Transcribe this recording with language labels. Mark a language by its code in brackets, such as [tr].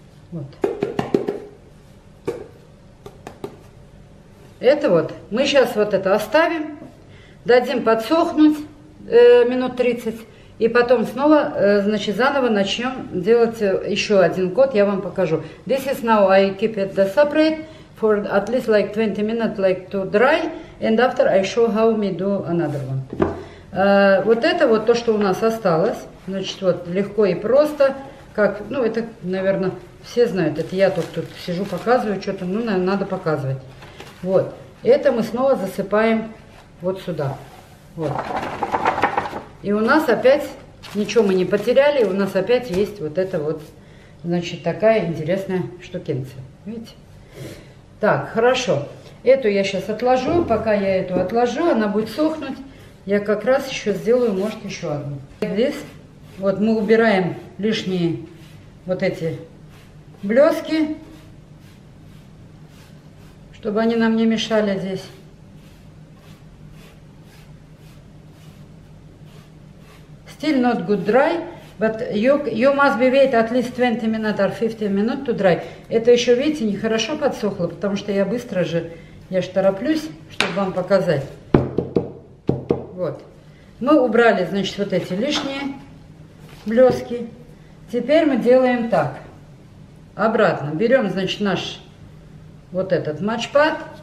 [ru] Вот. Это вот. Мы сейчас вот это оставим. Дадим подсохнуть минут 30. И потом снова, значит, заново начнем делать еще один кот. Я вам покажу. [en] This is now I keep it the separate for at least like 20 minutes like to dry. And after I show how me do another one. [ru] Вот это вот то, что у нас осталось. Значит, вот легко и просто. Как, ну, это, наверное, все знают. Это я тут сижу, показываю что-то. Ну, наверное, надо показывать. Вот. Это мы снова засыпаем вот сюда. Вот. И у нас опять ничего мы не потеряли. У нас опять есть вот эта вот, значит, такая интересная штукенция. Видите? Так, хорошо. Эту я сейчас отложу, пока я эту отложу, она будет сохнуть. Я как раз еще сделаю, может, еще одну. Здесь вот мы убираем лишние вот эти блески, чтобы они нам не мешали здесь. [en] Still not good dry, but you must be wait at least 20 minutes or 15 minutes to dry. [ru] Это еще, видите, нехорошо подсохло, потому что я быстро же... Я ж тороплюсь, чтобы вам показать. Вот. Мы убрали, значит, вот эти лишние блески. Теперь мы делаем так. Обратно. Берем, значит, наш вот этот матчпад.